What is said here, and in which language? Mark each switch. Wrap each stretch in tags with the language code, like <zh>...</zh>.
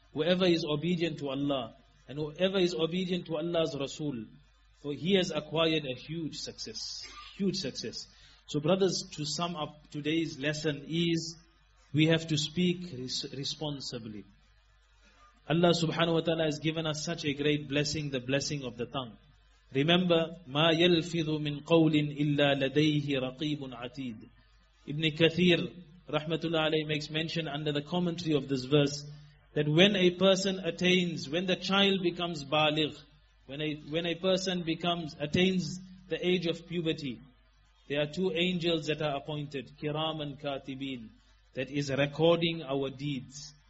<en>Whoever is obedient to Allah, and whoever is obedient to Allah's Rasul, for he has acquired a huge success. Huge success. So brothers, to sum up today's lesson is, we have to speak responsibly. Allah subhanahu wa ta'ala has given us such a great blessing, the blessing of the tongue. Remember,</en> <ar>مَا يَلْفِظُ مِنْ قَوْلٍ إِلَّا لَدَيْهِ رَقِيبٌ عَتِيدٌ.</ar> <en>Ibn Kathir, rahmatullah alayhi, makes mention under the commentary of this verse, that when a person attains, when the child becomes baligh, when a person becomes attains the age of puberty, there are two angels that are appointed, kiram and katibin, that is recording our deeds.</en>